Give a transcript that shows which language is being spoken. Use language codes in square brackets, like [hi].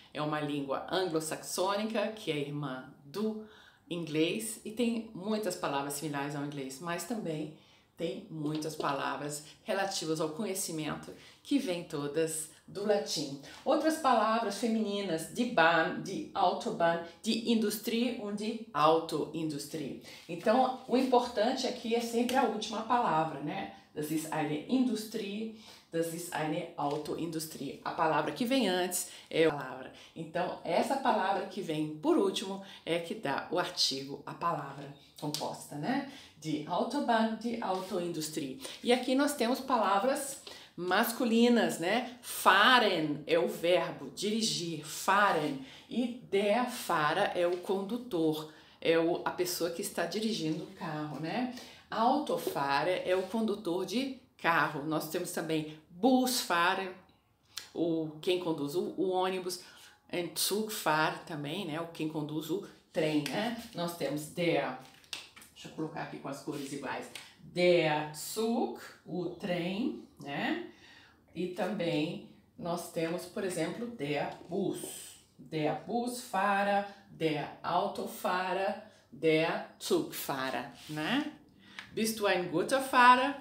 [pt] É uma língua anglo-saxônica, que é irmã do inglês, e tem muitas palavras similares ao inglês, mas também tem muitas palavras relativas ao conhecimento que vem todas do latim. Outras palavras femininas, [de] die Bahn, die Autobahn, die Industrie und die Autoindustrie. [pt] Então, o importante aqui é sempre a última palavra, né? [de] Das ist eine Industrie, das ist eine Autoindustrie. [pt] A palavra que vem antes é a palavra. Então, essa palavra que vem por último é que dá o artigo, a palavra composta, né? Die Autobahn, die Autoindustrie. E aqui nós temos palavras masculinas, né? Fahren é o verbo, dirigir, fahren. E der Fahrer é o condutor, é a pessoa que está dirigindo o carro, né? Autofahrer é o condutor de carro. Nós temos também Busfahrer, ou quem conduz o ônibus, Zugfahrer também, né? O quem conduz o trem, né? Nós temos der, deixa eu colocar aqui com as cores iguais, der Zug, o trem, né? E também nós temos, por exemplo, der Bus. [de] Der Busfahrer, der Autofahrer, der Zugfahrer, né? Bist du ein guter Fahrer?